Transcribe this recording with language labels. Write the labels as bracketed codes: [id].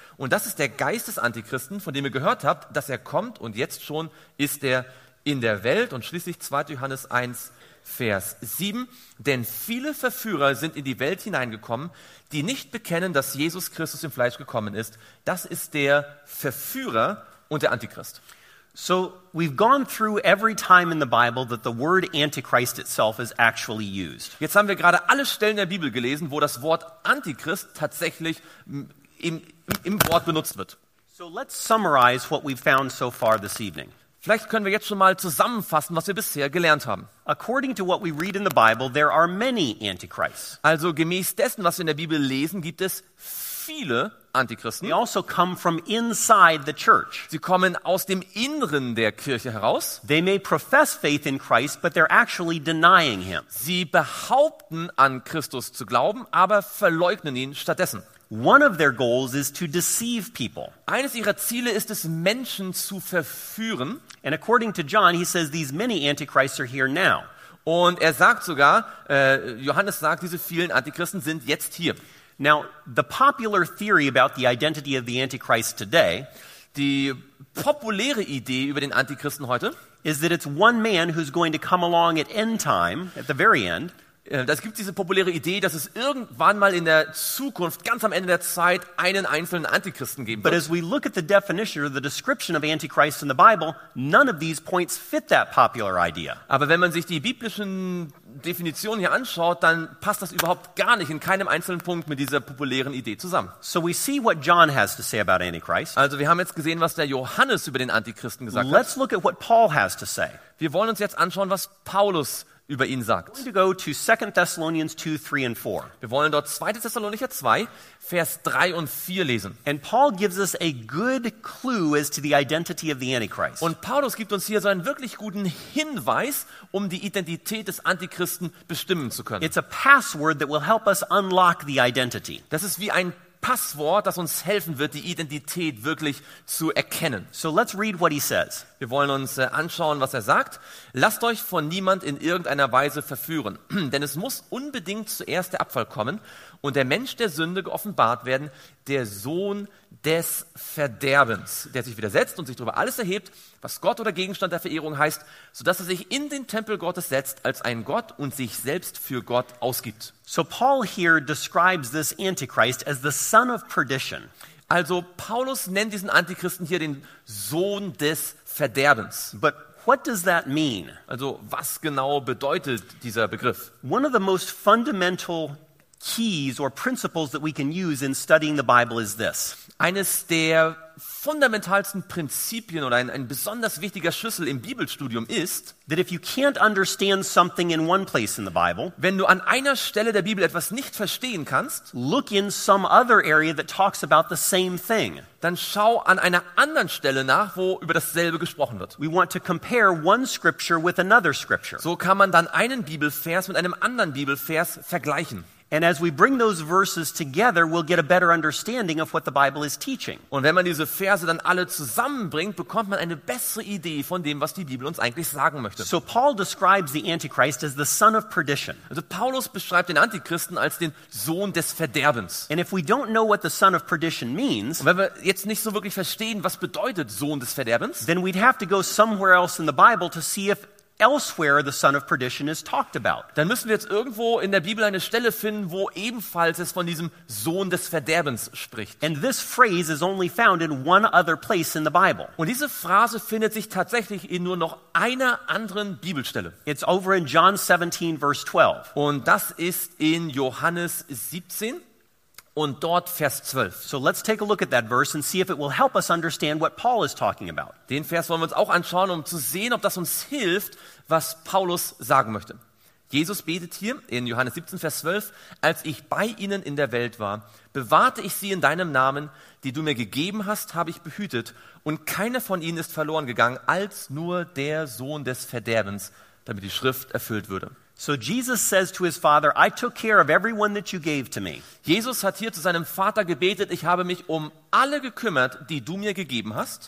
[de] Und das ist der Geist des Antichristen, von dem ihr gehört habt, dass er kommt und jetzt schon ist er in der Welt. Und schließlich 2. Johannes 1, Vers 7. Denn viele Verführer sind in die Welt hineingekommen, die nicht bekennen, dass Jesus Christus im Fleisch gekommen ist. Das ist der Verführer und der Antichrist. [en] So we've gone through every time in the Bible that the word Antichrist itself is actually used. [de] Jetzt haben wir gerade alle Stellen der Bibel gelesen, wo das Wort Antichrist tatsächlich im Wort benutzt wird. [en] So let's summarize what we've found so far this evening. [de] Vielleicht können wir jetzt schon mal zusammenfassen, was wir bisher gelernt haben. [en] According to what we read in the Bible, there are many Antichrists. [de] Also gemäß dessen, was wir in der Bibel lesen, gibt es viele Antichristen. [en] They also come from inside the church. [de] Sie kommen aus dem Inneren der Kirche heraus. [en] They may profess faith in Christ, but they're actually denying him. [de] Sie behaupten, an Christus zu glauben, aber verleugnen ihn stattdessen. [en] One of their goals is to deceive people. [de] Eines ihrer Ziele ist es, Menschen zu verführen. [en] And according to John, he says these many antichrists are here now. [de] Und er sagt sogar, Johannes sagt, diese vielen Antichristen sind jetzt hier. [en] Now, the popular theory about the identity of the Antichrist today, [de] die populäre Idee über den Antichristen heute, [en] is that it's one man who's going to come along at end time, at the very end. [de] Das gibt diese populäre Idee, dass es irgendwann mal in der Zukunft, ganz am Ende der Zeit, einen einzelnen Antichristen geben wird. [en] But as we look at the definition or the description of Antichrist in the Bible, none of these points fit that popular idea. [de] Aber wenn man sich die biblischen Definition hier anschaut, dann passt das überhaupt gar nicht in keinem einzelnen Punkt mit dieser populären Idee zusammen. [en] So we see what John has to say about Antichrist. [de] Also wir haben jetzt gesehen, was der Johannes über den Antichristen gesagt hat. [en] Let's look at what Paul has to say. [de] Wir wollen uns jetzt anschauen, was Paulus über ihn sagt. [en] We're going to go to 2 Thessalonians 2, 3 and 4. [de] Wir wollen dort 2. Thessalonicher 2, Vers 3 und 4 lesen. [en] And Paul gives us a good clue as to the identity of the Antichrist. [de] Und Paulus gibt uns hier so einen wirklich guten Hinweis, um die Identität des Antichristen bestimmen zu können. [en] It's a password that will help us unlock the identity. [de] Das ist wie ein Passwort, das uns helfen wird, die Identität wirklich zu erkennen. [en] So let's read what he says. [de] Wir wollen uns anschauen, was er sagt. Lasst euch von niemand in irgendeiner Weise verführen, denn es muss unbedingt zuerst der Abfall kommen und der Mensch der Sünde geoffenbart werden, der Sohn des Verderbens, der sich widersetzt und sich darüber alles erhebt, was Gott oder Gegenstand der Verehrung heißt, sodass er sich in den Tempel Gottes setzt als ein Gott und sich selbst für Gott ausgibt. [en] So Paul here describes this Antichrist as the son of perdition. [de] Also Paulus nennt diesen Antichristen hier den Sohn des Verderbens. [en] But what does that mean? [de] Also was genau bedeutet dieser Begriff? [en] One of the most fundamental keys or principles that we can use in studying the Bible is this. [de] Eines der fundamentalsten Prinzipien oder ein besonders wichtiger Schlüssel im Bibelstudium ist, [en] that if you can't understand something in one place in the Bible, [de] wenn du an einer Stelle der Bibel etwas nicht verstehen kannst, [en] look in some other area that talks about the same thing. [de] Dann schau an einer anderen Stelle nach, wo über dasselbe gesprochen wird. [en] We want to compare one scripture with another scripture. [de] So kann man dann einen Bibelvers mit einem anderen Bibelvers vergleichen. [en] And as we bring those verses together, we'll get a better understanding of what the Bible is teaching. [de] Und wenn man diese Verse dann alle zusammenbringt, bekommt man eine bessere Idee von dem, was die Bibel uns eigentlich sagen möchte. [en] So Paul describes the Antichrist as the son of perdition. [de] Also Paulus beschreibt den Antichristen als den Sohn des Verderbens. [en] And if we don't know what the son of perdition means, [de] und wenn wir jetzt nicht so wirklich verstehen, was bedeutet Sohn des Verderbens, [en] then we'd have to go somewhere else in the Bible to see if elsewhere the son of perdition is talked about. [de] Dann müssen wir jetzt irgendwo in der Bibel eine Stelle finden, wo ebenfalls es von diesem Sohn des Verderbens spricht. [en] And this phrase is only found in one other place in the Bible. [de] Und diese Phrase findet sich tatsächlich in nur noch einer anderen Bibelstelle. [en] It's over in John 17 verse 12. [de] Und das ist in Johannes 17 und dort Vers 12. [en] So let's take a look at that verse and see if it will help us understand what Paul is talking about. [de] Den Vers wollen wir uns auch anschauen, um zu sehen, ob das uns hilft, was Paulus sagen möchte. Jesus betet hier in Johannes 17, Vers 12, als ich bei ihnen in der Welt war, bewahrte ich sie in deinem Namen, die du mir gegeben hast, habe ich behütet, und keiner von ihnen ist verloren gegangen, als nur der Sohn des Verderbens, damit die Schrift erfüllt würde. [en] So Jesus says to his father, I took care of everyone that you gave to me. [de] Jesus hat hier zu seinem Vater gebetet, ich habe mich um alle gekümmert, die du mir gegeben hast.